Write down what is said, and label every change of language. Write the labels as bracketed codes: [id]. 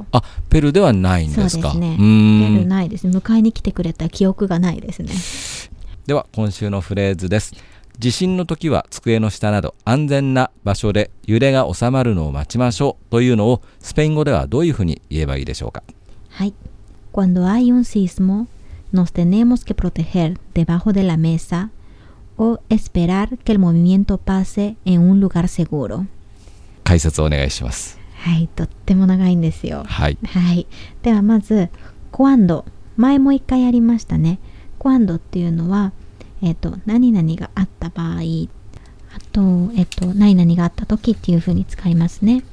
[ja] はい、あ、ペルーではないんですか。そうですね、ペルーないです。迎えに来てくれた記憶がないですね。では今週のフレーズです。地震の時は机の下など安全な場所で揺れが収まるのを待ちましょうというのをスペイン語ではどういうふうに言えばいいでしょうか。 [es] はい、 Cuando hay un sismo nos tenemos que proteger debajo de la mesa o esperar que el movimiento pase en un lugar seguro。 [ja] 解説をお願いします。はい、とっても長いんですよ。はい、はい、ではまず cuando、 前も一回やりましたね。 cuando っていうのは、何々があった場合、あと、何々があった時っていう風に使いますね。